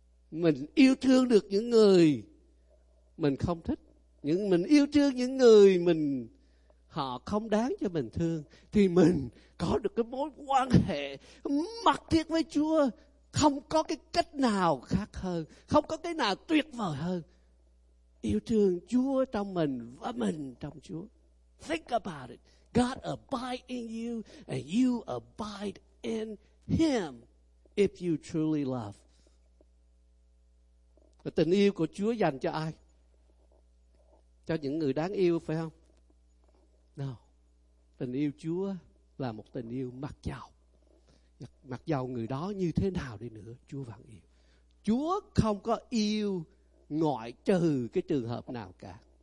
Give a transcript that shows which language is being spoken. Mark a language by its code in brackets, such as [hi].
[vi] Mình yêu thương được những người mình không thích, những mình yêu thương những người mình họ không đáng cho mình thương, thì mình có được cái mối quan hệ mật thiết với Chúa. Không có cái cách nào khác hơn, không có cái nào tuyệt vời hơn. Yêu thương Chúa trong mình và mình trong Chúa. [en] Think about it. God abides in you and you abide in him if you truly love. [vi] Và tình yêu của Chúa dành cho ai? Cho những người đáng yêu, phải không? No. Tình yêu Chúa là một tình yêu mặc dầu. Mặc dầu người đó như thế nào đi nữa, Chúa vẫn yêu. Chúa không có yêu ngoại trừ cái trường hợp nào cả.